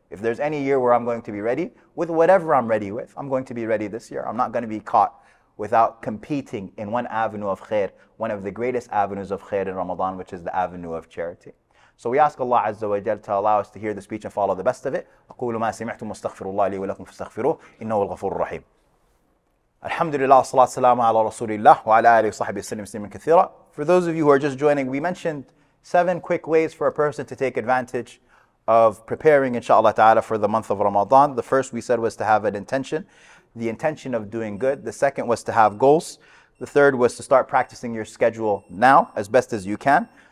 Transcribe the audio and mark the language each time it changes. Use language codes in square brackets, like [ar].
[en] If there's any year where I'm going to be ready, with whatever I'm ready with, I'm going to be ready this year. I'm not going to be caught without competing in one avenue of khair, one of the greatest avenues of khair in Ramadan, which is the avenue of charity. So we ask Allah Azza wa Jal to allow us to hear the speech and follow the best of it. [ar] أقول ما سمعتم واستغفر الله لي ولكم فاستغفروه إنه الغفور الرحيم. الحمد لله والصلاة والسلام على رسول الله وعلى آله وصحبه وسلم من كثيرة. [en] For those of you who are just joining, we mentioned 7 quick ways for a person to take advantage of preparing, inshallah ta'ala, for the month of Ramadan. The first we said was to have an intention, the intention of doing good. The second was to have goals. The third was to start practicing your schedule now as best as you can.